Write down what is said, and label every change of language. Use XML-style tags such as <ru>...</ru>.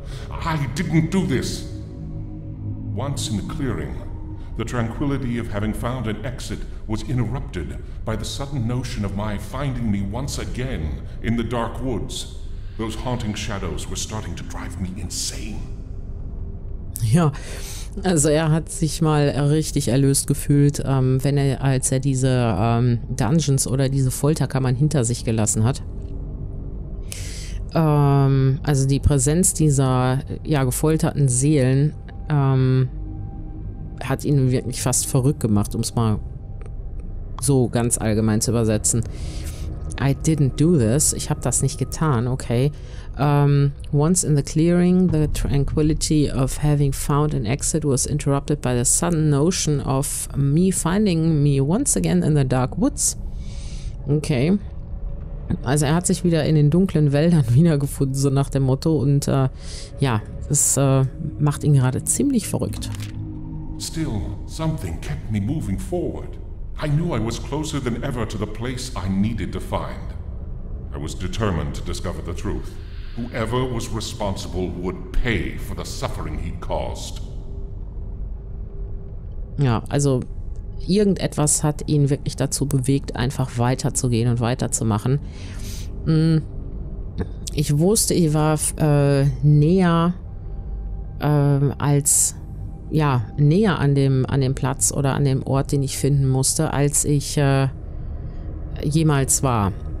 <en>I didn't do this! Once in the clearing, the tranquility of having found an exit was interrupted by the sudden notion of my finding me once again in the dark woods. Those haunting shadows were starting to drive me insane.</en> <de>Ja, also er hat sich mal richtig erlöst gefühlt, wenn er, als er diese Dungeons oder diese Folterkammern hinter sich gelassen hat. Also die Präsenz dieser, ja, gefolterten Seelen hat ihn wirklich fast verrückt gemacht, um es mal so ganz allgemein zu übersetzen.</de> <en>I didn't do this.</en> <de>Ich habe das nicht getan, okay.</de> <en>Once in the clearing, the tranquility of having found an exit was interrupted by the sudden notion of me finding me once again in the dark woods. Okay.</en> <de>Also er hat sich wieder in den dunklen Wäldern wiedergefunden, so nach dem Motto. Und ja, es macht ihn gerade ziemlich verrückt.</de> <en>Still, something kept me moving forward. I knew I was closer than ever to the place I needed to find. I was determined to discover the truth. Whoever was responsible would pay for the suffering he caused.</en> <de>Ja, also irgendetwas hat ihn wirklich dazu bewegt, einfach weiterzugehen und weiterzumachen. Ich wusste, ich war näher als... Ja, näher an dem Platz oder an dem Ort, den ich finden musste, als ich jemals war.</de>